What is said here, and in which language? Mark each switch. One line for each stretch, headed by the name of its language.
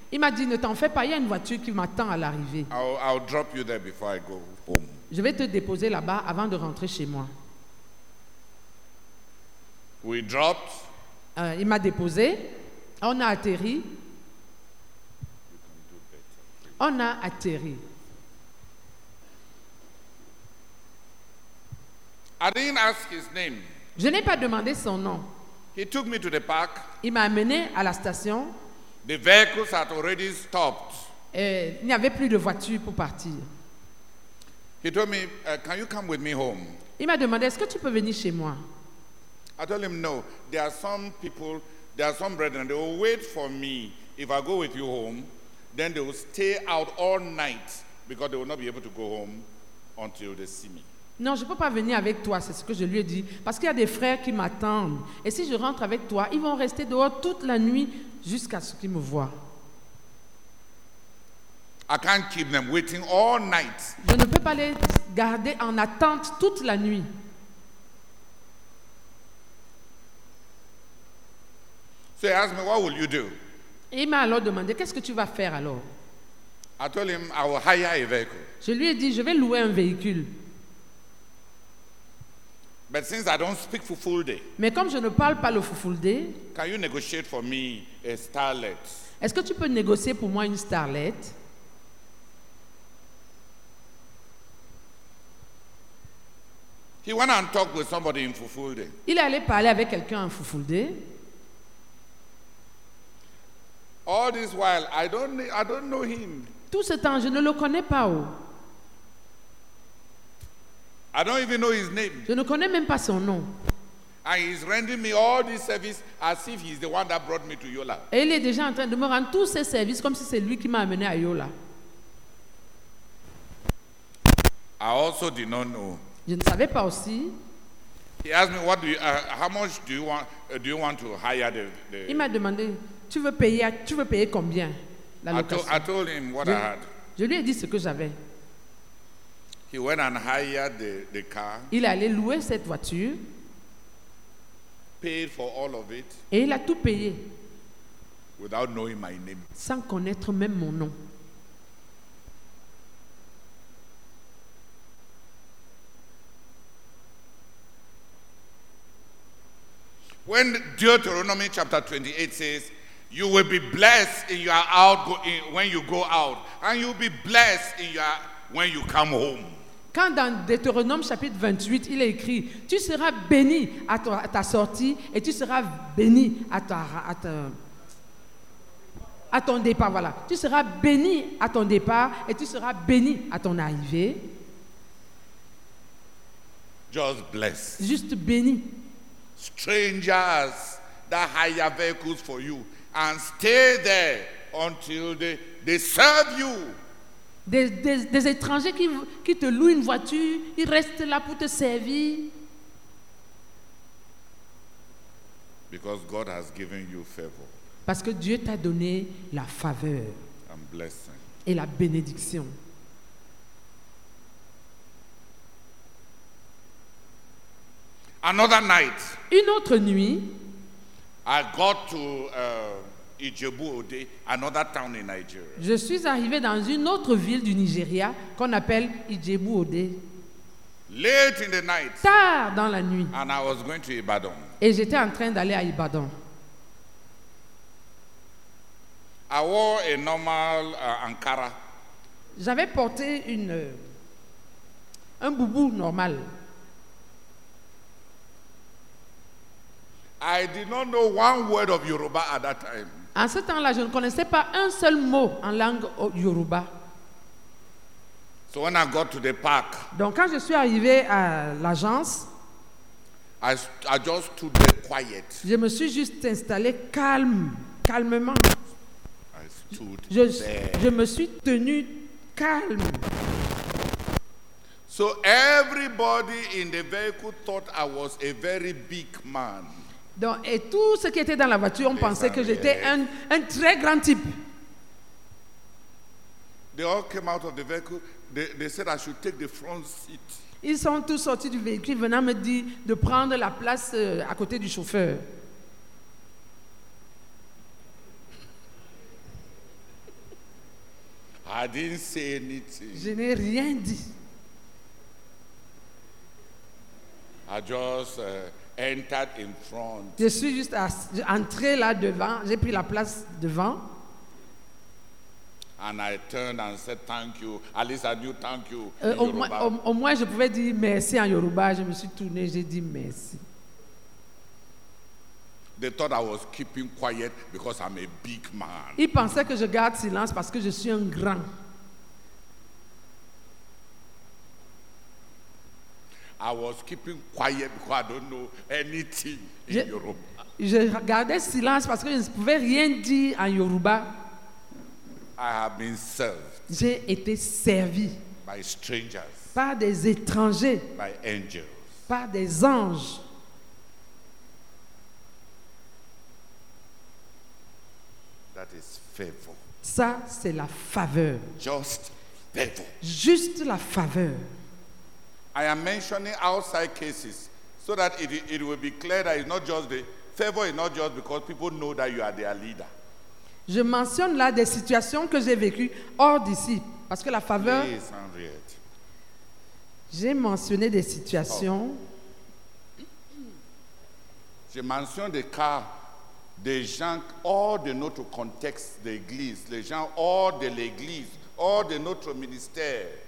French: Il m'a dit ne t'en fais pas, il y a une voiture qui m'attend à l'arrivée.
English: I'll drop you there before I go home.
French: Je vais te déposer là-bas avant de rentrer chez moi.
English: We dropped.
French: Il m'a déposé. On a atterri. On a atterri.
English: I didn't ask his name.
French: Je n'ai pas demandé son nom.
English: He took me to the park.
French: Il m'a amené à la station.
English: The vehicles had already stopped.
French: Il n'y avait plus de voiture pour partir.
English: He told me, "Can you come with me home?"
French: Il m'a demandé, "Est-ce que tu peux venir chez moi?"
English: I told him, "No. There are some people, there are some brethren, they will wait for me if I go with you home. Then they will stay out all night because they will not be able to go home until they see me."
French: Non, je ne peux pas venir avec toi, c'est ce que je lui ai dit. Parce qu'il y a des frères qui m'attendent. Et si je rentre avec toi, ils vont rester dehors toute la nuit jusqu'à ce qu'ils me voient.
English: I can't keep them waiting all night.
French: Je ne peux pas les garder en attente toute la nuit.
English: So he asked me, what will you do?
French: Et il m'a alors demandé, qu'est-ce que tu vas faire alors?
English: I told him, I will hire a vehicle.
French: Je lui ai dit, je vais louer un véhicule.
English: But since I don't speak Fufulde,
French: mais comme je ne parle pas le Fufulde,
English: can you negotiate for me a starlet?
French: Est-ce que tu peux négocier pour moi une starlet?
English: He went and talked with somebody in Fufulde.
French: Il est allé parler avec quelqu'un en Fufulde.
English: All this while, I don't know him.
French: Tout ce temps, je ne le connais pas.
English: I don't even know his name.
French: Je ne connais même pas son nom.
English: And he's rendering me all this service as if he's the one that brought me to Yola.
French: Et il est déjà en train de me rendre tous ces services comme si c'est lui qui m'a amené à Yola.
English: I also did not know.
French: Je ne savais pas aussi.
English: He asked me, how much do you want to hire the?
French: Il m'a demandé, tu veux payer combien la location?
English: I told him what I had.
French: Je lui ai dit ce que j'avais.
English: He went and hired the car.
French: Il est allé louer cette voiture.
English: Paid for all of it.
French: Et il a tout payé.
English: Without knowing my name.
French: Sans connaître même mon nom.
English: When Deuteronomy chapter 28 says, you will be blessed in your outgoing when you go out, and you'll be blessed in your when you come home.
French: Quand dans Deutéronome chapitre 28, il est écrit, tu seras béni à ta sortie et tu seras béni à ton départ. Voilà. Tu seras béni à ton départ et tu seras béni à ton arrivée.
English: Just bless.
French: Juste béni.
English: Strangers that hire vehicles for you and stay there until they serve you.
French: Des étrangers qui te louent une voiture, ils restent là pour te servir.
English: Because God has given you favor.
French: Parce que Dieu t'a donné la faveur
English: and blessing.
French: Et la bénédiction.
English: Another night.
French: Une autre nuit.
English: I got to Ijebu Ode, another town in Nigeria.
French: Je suis arrivé dans une autre ville du Nigeria qu'on appelle Ijebu Ode.
English: Late in the night.
French: Tard dans la nuit.
English: And I was going to Ibadan.
French: Et j'étais en train d'aller à Ibadan.
English: I wore a normal Ankara.
French: J'avais porté un boubou normal.
English: I did not know one word of Yoruba at that time.
French: En ce temps-là, je ne connaissais pas un seul mot en langue Yoruba.
English: So when I got to the park,
French: donc quand je suis arrivé à l'agence,
English: I just stood there quiet.
French: Je me suis juste installé calmement.
English: I stood
French: je me suis tenu calme.
English: So everybody in the vehicle thought I was a very big man.
French: Donc, et tout ce qui était dans la voiture, on pensait que j'étais un très grand type.
English: They all came out of the vehicle. They said I should take the front seat.
French: Ils sont tous sortis du véhicule venant me dire de prendre la place à côté du chauffeur.
English: I didn't say anything.
French: Je n'ai rien dit.
English: I just entered in front.
French: Je suis juste entré là devant. J'ai pris la place devant.
English: And I turned and said thank you. At least I knew thank you.
French: Au moins, je pouvais dire merci en Yoruba. Je me suis tourné. J'ai dit merci.
English: They thought I was keeping quiet because I'm a big man.
French: Ils pensaient que je garde silence parce que je suis un grand.
English: I was keeping quiet because I don't know anything in Yoruba.
French: Je gardais silence parce que je ne pouvais rien dire en Yoruba.
English: I have been served.
French: J'ai été servi.
English: By strangers.
French: Par des étrangers.
English: By angels.
French: Par des anges.
English: That is favor.
French: Ça, c'est la faveur.
English: Just favor.
French: Juste la faveur.
English: I am mentioning outside cases so that it will be clear that it's not just the favor is not just because people know that you are their leader.
French: Je mentionne là des situations que j'ai vécues hors d'ici parce que la faveur.
English: Yes, Henriette.
French: J'ai mentionné des situations. Oh. Je mentionne des cas, des gens hors de notre contexte d'église, les gens hors de l'église, hors de notre ministère.